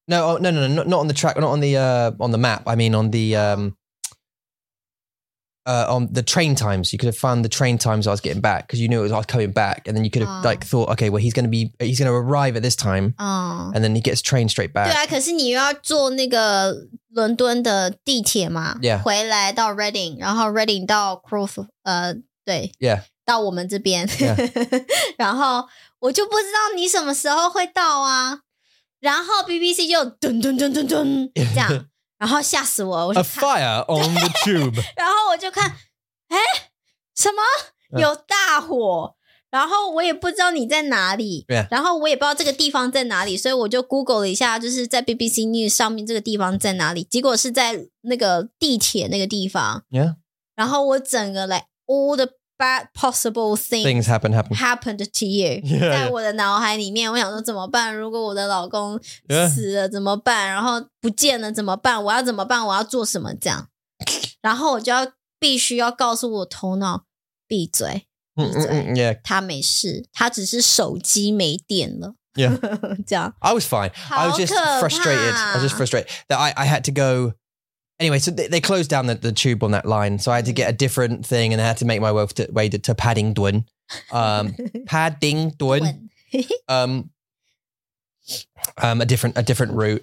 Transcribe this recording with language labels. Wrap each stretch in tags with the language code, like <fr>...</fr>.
<en>No, not on the track, not on the, on the map. I mean, on the, on the train times. You could have found the train times I was getting back because you knew it was, I was coming back. And then you could have like thought, okay, well, he's going to arrive at this time. And then he gets trained straight back.</en> <zh>对啊，可是你又要坐那个伦敦的地铁嘛。</zh> <en>Yeah.</en> <zh>回来到 Reading, 然后 Reading 到 Crawford, 对。</zh> <en>Yeah.</en> <zh>到我们这边。Yeah. 然后我就不知道你什么时候会到啊。然后 BBC 就噔噔噔噔噔这样，然后吓死我！我就看</zh> <en>A fire on the tube，</en> <zh>然后我就看，哎，什么有大火？然后我也不知道你在哪里，</zh> <en>yeah.</en> <zh>然后我也不知道这个地方在哪里，所以我就 Google 了一下，就是在 BBC News 上面这个地方在哪里，结果是在那个地铁那个地方。</zh> <en>Yeah.</en> <zh>然后我整个</zh> <en>like all the bad possible things happened to you. Yeah,</en> <zh>在我的脑海里面，我想说怎么办？如果我的老公死了怎么办？然后不见了怎么办？我要怎么办？我要做什么？这样，然后我就要必须要告诉我头脑闭嘴，</zh> <en>Yeah,</en> <zh>他没事，他只是手机没电了。</zh> <en>Yeah,</en> <zh>这样。</zh> <en>I was fine. I was just frustrated. I was just frustrated that I had to go. Anyway, so they closed down the tube on that line. So I had to get a different thing and I had to make my way to Paddington. Paddington. a different route.</en>